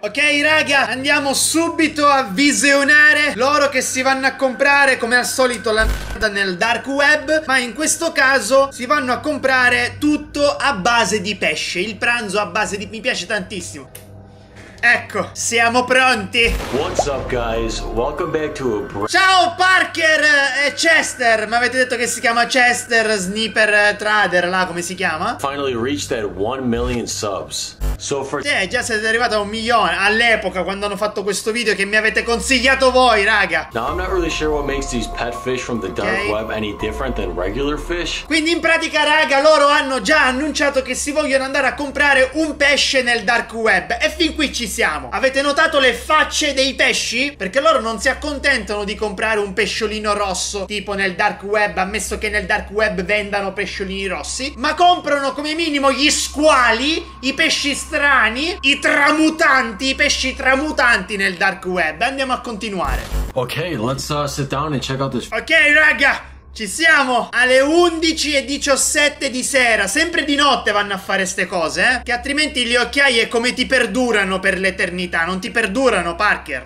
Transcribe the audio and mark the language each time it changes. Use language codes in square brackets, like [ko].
[it] Ok, raga, andiamo subito a visionare loro che si vanno a comprare, come al solito, la merda nel dark web. Ma in questo caso si vanno a comprare tutto a base di pesce. Il pranzo a base di... mi piace tantissimo. Ecco, siamo pronti. [en] What's up guys, welcome back to a... [it] Ciao Parker e Chester. Mi avete detto che si chiama Chester Sniper Trader, là come si chiama? [en] Finally reached that 1 million subs. So for... [it] sì, già siete arrivati a 1 milione all'epoca quando hanno fatto questo video che mi avete consigliato voi, raga. [en] Now I'm not really sure what makes these pet fish from the dark web any different than regular fish. [it] Quindi in pratica, raga, loro hanno già annunciato che si vogliono andare a comprare un pesce nel dark web. E fin qui ci siamo. Avete notato le facce dei pesci? Perché loro non si accontentano di comprare un pesciolino rosso tipo nel dark web, ammesso che nel dark web vendano pesciolini rossi, ma comprano come minimo gli squali, i pesci strani, i tramutanti, i pesci tramutanti nel dark web. Andiamo a continuare. [en] Ok, let's sit down and check out this. [it] Ok, raga, ci siamo alle 11 e 17 di sera. Sempre di notte vanno a fare ste cose, eh? Che altrimenti le occhiaie come ti perdurano per l'eternità? Non ti perdurano, Parker.